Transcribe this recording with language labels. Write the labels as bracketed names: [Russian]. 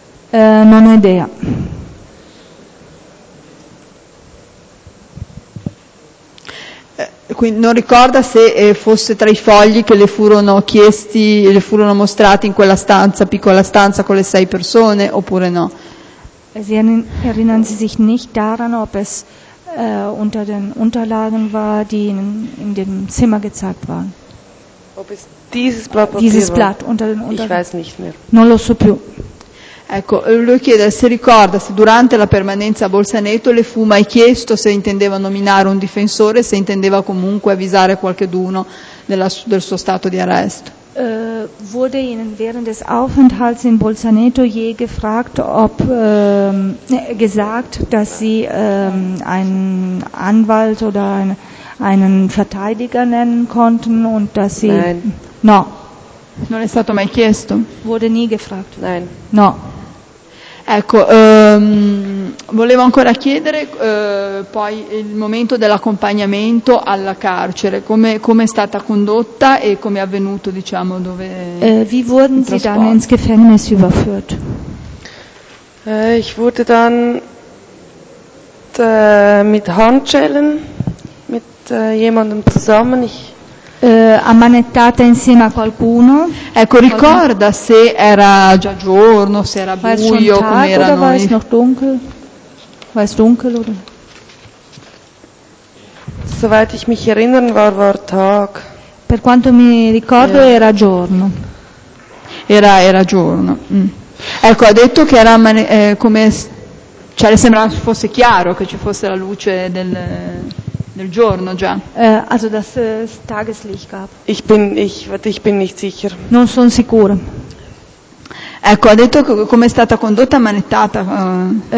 [Italian] Non ho idea. Quindi non ricorda se fosse tra i fogli che le furono chiesti, le furono mostrati in quella stanza, piccola stanza con le sei persone, oppure no? [German] Erinnern Sie sich nicht daran, ob es unter den Unterlagen war, die in dem Zimmer gezeigt waren? Ob es dieses Blatt war? Dieses Blatt unter den Unterlagen. Ich weiß nicht mehr. [Italian] Non lo so più. Ecco, lui chiede se ricorda se durante la permanenza a Bolzaneto le fu mai chiesto se intendeva nominare un difensore, se intendeva comunque avvisare qualcheduno del suo stato di arresto. [German] Wurde Ihnen während des Aufenthalts in Bolzaneto je gefragt, ob gesagt, dass Sie einen Anwalt oder einen Verteidiger nennen konnten und dass Sie... Nein. [Italian] No. Non è stato mai chiesto? [German] Wurde nie gefragt. Nein. [Italian] No. Ecco, volevo ancora chiedere poi il momento dell'accompagnamento alla carcere, come è stata condotta e come è avvenuto, diciamo, dove... [German] Wie wurden Sie dann ins Gefängnis überführt? Ich wurde dann mit Handschellen mit jemandem zusammen, [Italian] ammanettata insieme a qualcuno. Ecco, ricorda se era già giorno, se era buio, come erano. [German] War es noch dunkel? War es dunkel oder? Soweit ich mich erinnern war Tag. [Italian] Per quanto mi ricordo era giorno. Era giorno. Ecco, ha detto che era come cioè le sembrava fosse chiaro che ci fosse la luce del giorno già. [German] Also dass es Tageslicht gab. Ich bin nicht sicher. [Italian] Non sono sicura. Ecco, ha detto come è stata condotta, manettata.